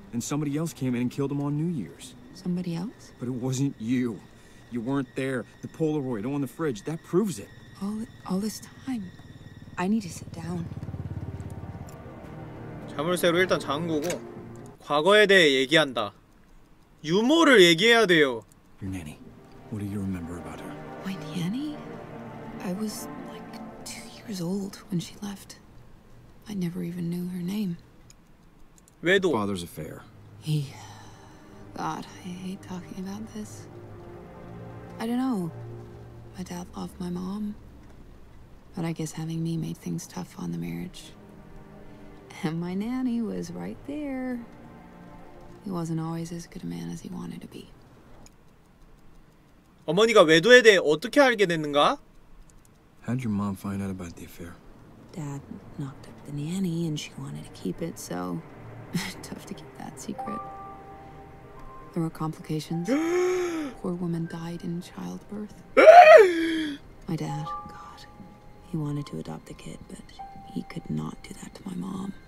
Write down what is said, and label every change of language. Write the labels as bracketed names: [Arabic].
[English] And somebody else came in and killed him on New Year's. Somebody else? But it wasn't you. You weren't there. The Polaroid on the fridge, that proves it. All this time. I need to sit down. [Korean] 자물쇠로 일단 잠그고 과거에 대해 얘기한다. 유모를 얘기해야 돼요. [English] Your nanny. What do you remember about her? My nanny? I was like 2 years old when she left. I never even knew her name. [Korean] 외도. [English] Father's affair. God, I hate talking about this. I don't know. My dad loved my mom. But I guess having me made things tough on the marriage. And my nanny was right there. He wasn't always as good a man as he wanted to be. [Korean] 어머니가 외도에 대해 어떻게 알게 됐는가? [English] How'd your mom find out about the affair? Dad knocked up the nanny and she wanted to keep it, so... tough to keep that secret. There were complications. Poor woman died in childbirth. My dad, God, he wanted to adopt the kid, but he could not do that to my mom.